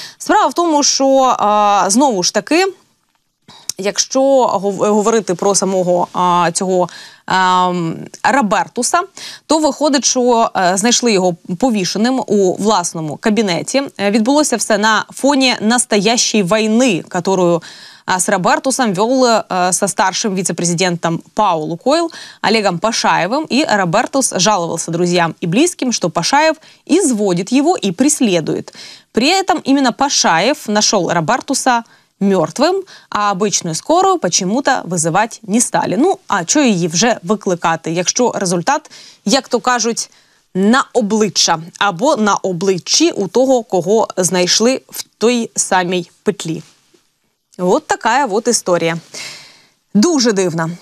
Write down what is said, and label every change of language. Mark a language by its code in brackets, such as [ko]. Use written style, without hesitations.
[uk] Справа в тому, що, знову ж таки, якщо говорити про самого цього Робертуса, то виходить, що знайшли його повішеним у власному кабінеті. Відбулося все на фоні настоящої війни, яку з Робертусом [ru] вел со старшим [uk] віце-президентом Пау Лукойл Олегом Пашаевым. [ru] И Робертус жаловался друзьям и близким, что Пашаев изводит его и преследует. При этом именно Пашаев нашел Робертуса мертвым, а обычную скорую почему-то вызывать не стали. Ну, а что ее уже выкликать, [uk] якщо результат, як то кажуть, на обличчя або на обличчі у того, кого знайшли в той самій петлі. От така от історія. Дуже дивна.